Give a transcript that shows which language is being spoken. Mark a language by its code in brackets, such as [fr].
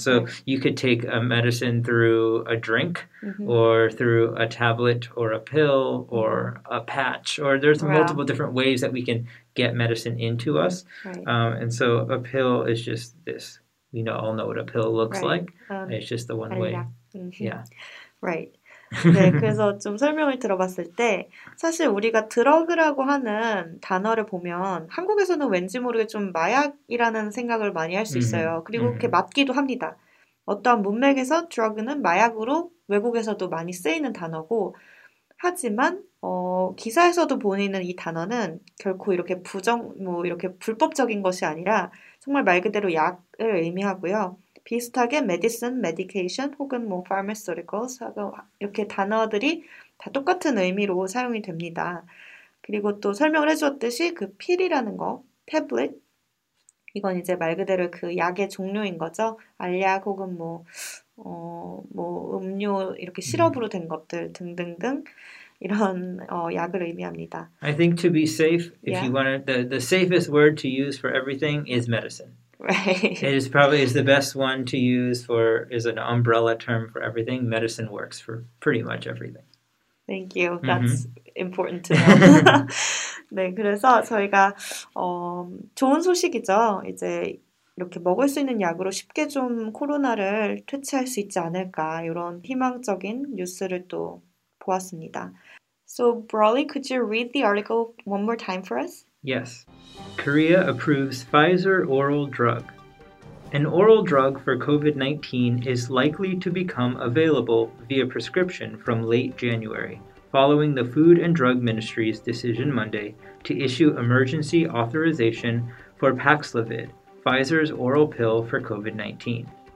[en] So you could take a medicine through a drink or through a tablet or a pill or a patch, or there's multiple different ways that we can get medicine into us. And so a pill is just this. We all know what a pill looks like. It's just the one way. Right. [ko] 네, 그래서 좀 설명을 들어봤을 때 사실 우리가 드러그라고 하는 단어를 보면 한국에서는 왠지 모르게 좀 마약이라는 생각을 많이 할 수 있어요. 그리고 그게 맞기도 합니다. 어떠한 문맥에서 드러그는 마약으로 외국에서도 많이 쓰이는 단어고 하지만 기사에서도 보이는 이 단어는 결코 이렇게 부정, 뭐 이렇게 불법적인 것이 아니라 정말 말 그대로 약을 의미하고요. 비슷하게 medicine, medication 혹은 뭐 pharmaceuticals 이렇게 단어들이 다 똑같은 의미로 사용이 됩니다. 그리고 또 설명을 해주었듯이 그 필이라는 거, tablet 이건 이제 말 그대로 그 약의 종류인 거죠. 알약 혹은 뭐 음료 이렇게 시럽으로 된 것들 등등등 이런 약을 의미합니다. [en] I think to be safe, if you want the safest word to use for everything is medicine. Right. It is probably is the best one to use for is an umbrella term for everything. Medicine works for pretty much everything. Thank you. That's important to know. [ko] 네, 그래서 저희가 좋은 소식이죠. 이제 이렇게 먹을 수 있는 약으로 쉽게 좀 코로나를 퇴치할 수 있지 않을까 이런 희망적인 뉴스를 또 보았습니다. [en] So Brawley, could you read the article one more time for us? Yes. Korea approves Pfizer oral drug. An oral drug for COVID-19 is likely to become available via prescription from late January, following the Food and Drug Ministry's decision Monday to issue emergency authorization for Paxlovid, Pfizer's oral pill for COVID-19.